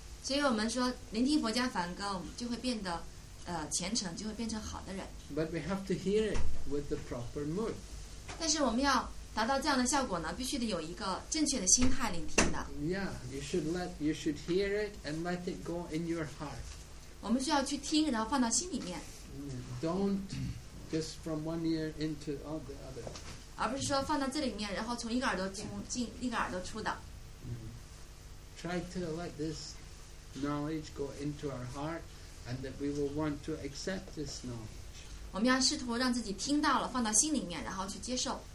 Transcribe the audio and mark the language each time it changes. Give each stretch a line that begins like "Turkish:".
Chinese: 所以我们说，聆听佛家梵歌，我们就会变得虔诚，就会变成好的人。
English: But we have to hear it with the proper mood.
Chinese: 但是我们要达到这样的效果呢，必须得有一个正确的心态聆听的。
English: Yeah, you should hear it and let it go in your heart.
Chinese: 我们需要去听，然后放到心里面。
English: Don't. Just from one ear into all the other.
Chinese: 而不是说放到这里面，然后从一个耳朵进，另一个耳朵出的。
English: try to let this knowledge go into our heart and that we will want to accept this knowledge.